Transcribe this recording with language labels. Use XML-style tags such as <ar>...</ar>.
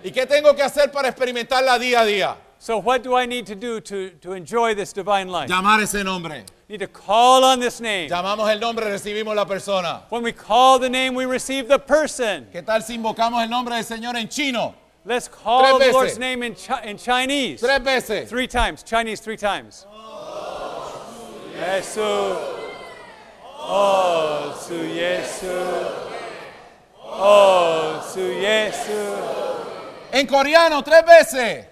<es>¿Y qué tengo que hacer para experimentarla día a día?</es> <en>So what do I need to do to enjoy this divine life?</en> <es>Llamar ese nombre.</es> <en>Need to call on this name.</en> <es>Llamamos el nombre, recibimos la persona.</es> <en>When we call the name, we receive the person.</en> <es>¿Qué tal si invocamos el nombre del Señor en chino?</es> <en>Let's call the Lord's name in Chinese.</en> <es>Tres veces.</es> <en>Three times. Chinese, three times. Oh, Jesus. Oh, su Jesus. Oh, su Jesus.</en> <es>En coreano, tres veces.</es>